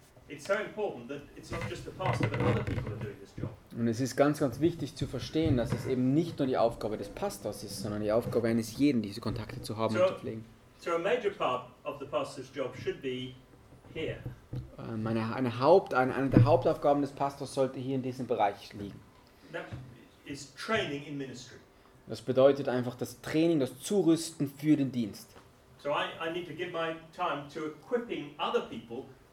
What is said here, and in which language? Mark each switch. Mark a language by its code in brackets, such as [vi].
[en] It's so important that it's not just the pastor, but other people are doing this job. [de] Und es ist ganz, ganz wichtig zu verstehen, dass es eben nicht nur die Aufgabe des Pastors ist, sondern die Aufgabe eines jeden, diese Kontakte zu haben und zu pflegen. [en] So a major part of the pastor's job should be here. [de] Eine der Hauptaufgaben des Pastors sollte hier in diesem Bereich liegen. [en] That is training in ministry. [de] Das bedeutet einfach das Training, das Zurüsten für den Dienst. [en] So I need to give my time to equipping other people.